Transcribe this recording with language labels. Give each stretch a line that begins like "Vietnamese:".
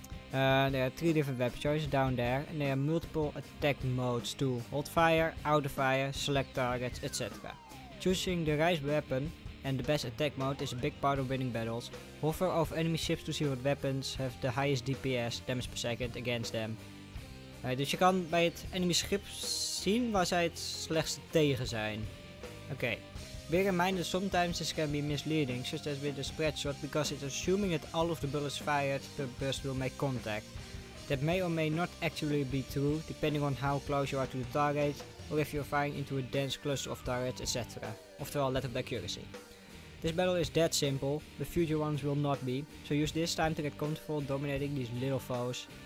English: There are three different weapon choices down there, and there are multiple attack modes too. Hold fire, out of fire, select targets, etc. Choosing the right weapon and the best attack mode is a big part of winning battles. Hover over enemy ships to see what weapons have the highest DPS, damage per second, against them.
Dutch: Dus je kan bij het enemy schip zien waar zij het slechtste tegen zijn. Okay.
English: Bear in mind that sometimes this can be misleading, such as with the spreadshot, because it's assuming that all of the bullets fired per burst will make contact. That may or may not actually be true, depending on how close you are to the target, or if you're firing into a dense cluster of targets, etc.
Dutch: Oftewel, let op de accuracy.
English: This battle is that simple, the future ones will not be, so use this time to get comfortable dominating these little foes.